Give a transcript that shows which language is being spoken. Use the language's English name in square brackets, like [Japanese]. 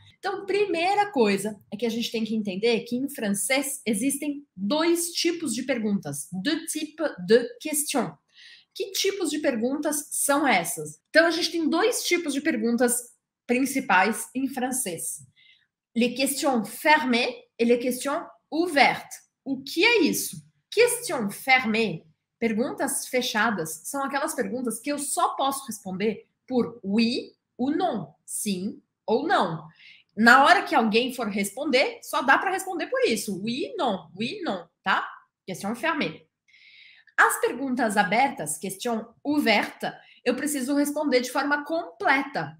[Portuguese] Então, primeira coisa é que a gente tem que entender que em francês existem dois tipos de perguntas. [French] Deux types de questions. [Portuguese] Que tipos de perguntas são essas? Então, a gente tem dois tipos de perguntas principais em francês. [French] Les questions fermées et les questions ouvertes. [Portuguese] O que é isso? [French] Question fermée. [Portuguese] Perguntas fechadas são aquelas perguntas que eu só posso responder por [French] oui ou non, [Portuguese] sim ou não. Na hora que alguém for responder, só dá para responder por isso, oui, non, tá? [French] Question fermée. [Portuguese] As perguntas abertas, [French] question ouverte, [Portuguese] eu preciso responder de forma completa.